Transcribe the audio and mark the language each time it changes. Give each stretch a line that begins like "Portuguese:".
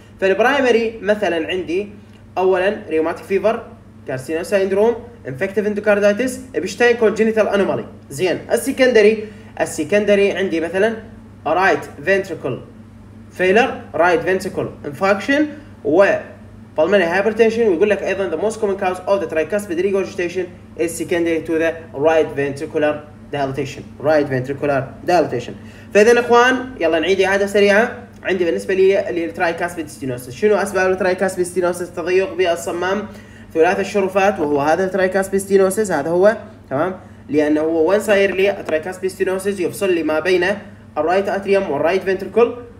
Arabic: فالبرايمري مثلا عندي اولا ريوماتيك فيفر كارسينوس سيندروم انفكتيف اندوكاردايتس ابشتاين كونجينيتال انومالي زين. السكندري عندي مثلا رايت فينتريكل فيلر، رايت فينتريكل انفاكشن، و pulmonary hypertension. ويقول لك ايضا
English: the most common cause of the tricuspid regurgitation is secondary to the right ventricular dilatation. Right ventricular dilatation.
Arabic: فاذا اخوان يلا نعيد اعاده سريعه، عندي بالنسبه لي التريكاسبيد ستينوسس، شنو اسباب التريكاسبيد ستينوسس؟ تضيق بالصمام ثلاث الشرفات وهو هذا التريكاسبيد ستينوسس، هذا هو تمام، لانه هو وين صاير لي التريكاسبيد ستينوسس يفصل لي ما بين الرايت اتريوم والرايت فنتركل.